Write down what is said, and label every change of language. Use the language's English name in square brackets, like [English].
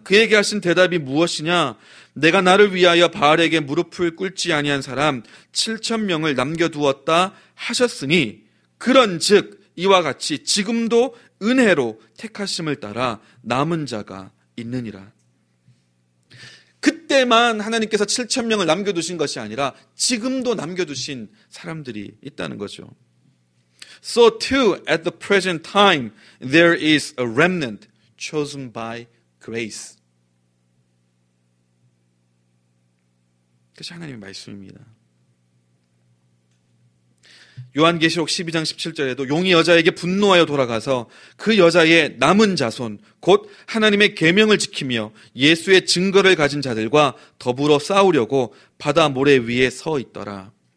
[Korean] 그에게 하신 대답이 무엇이냐? 내가 나를 위하여 바알에게 무릎을 꿇지 아니한 사람 7천명을 남겨두었다 하셨으니 그런즉 이와 같이 지금도 은혜로 택하심을 따라 남은 자가 있느니라. 그때만 하나님께서 7천명을 남겨두신 것이 아니라 지금도 남겨두신 사람들이 있다는 거죠. [English] So too, at the present time, there is a remnant chosen by grace. [Korean] 그것이 하나님의 말씀입니다. 요한계시록 12장 17절에도 용이 여자에게 분노하여 돌아가서 그 여자의 남은 자손, 곧 하나님의 계명을 지키며 예수의 증거를 가진 자들과 더불어 싸우려고 바다 모래 위에 서 있더라.